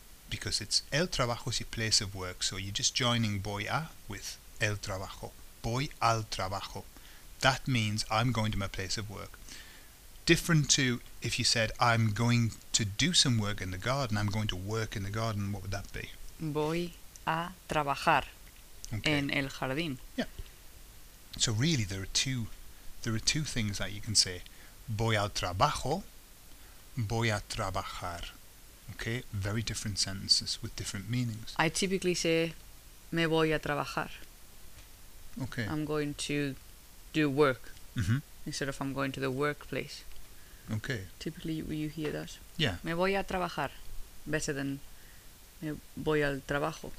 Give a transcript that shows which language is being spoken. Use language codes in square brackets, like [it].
[en] Because it's [es] el trabajo [en] is your place of work, so you're just joining [es] voy a [en] with el trabajo. [es] Voy al trabajo. [en] That means I'm going to my place of work. Different to if you said, I'm going to do some work in the garden, I'm going to work in the garden, what would that be? [es] Voy a trabajar en el jardín. [en] Yeah. So really, there are two things that you can say. [es] Voy al trabajo, voy a trabajar. [en] Okay, very different sentences with different meanings. I typically say, [es] me voy a trabajar. [en] Okay. I'm going to do work, mm-hmm. instead of I'm going to the workplace. Okay. Typically, you hear that. Yeah. [es] Me voy a trabajar. [en] Better than [es] me voy al trabajo.